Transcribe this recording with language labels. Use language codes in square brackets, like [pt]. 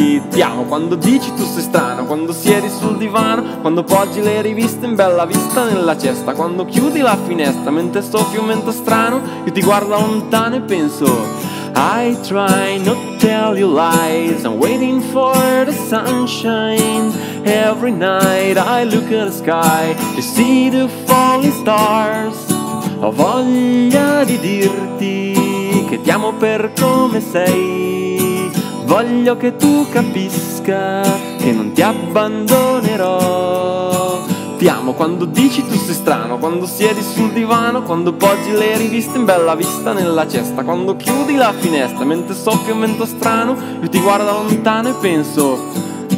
[it] Ti amo quando dici tu sei strano, quando siedi sul divano, quando poggi le riviste in bella vista nella cesta, quando chiudi la finestra mentre soffio un vento strano, io ti guardo lontano e penso [en] I try not to tell you lies, I'm waiting for the sunshine. Every night I look at the sky to see the falling stars. [it] Ho voglia di dirti che ti amo per come sei. Voglio che tu capisca che non ti abbandonerò. Ti amo quando dici tu sei strano, quando siedi sul divano, quando poggi le riviste in bella vista nella cesta, quando chiudi la finestra mentre soffio un vento strano, io ti guardo lontano e penso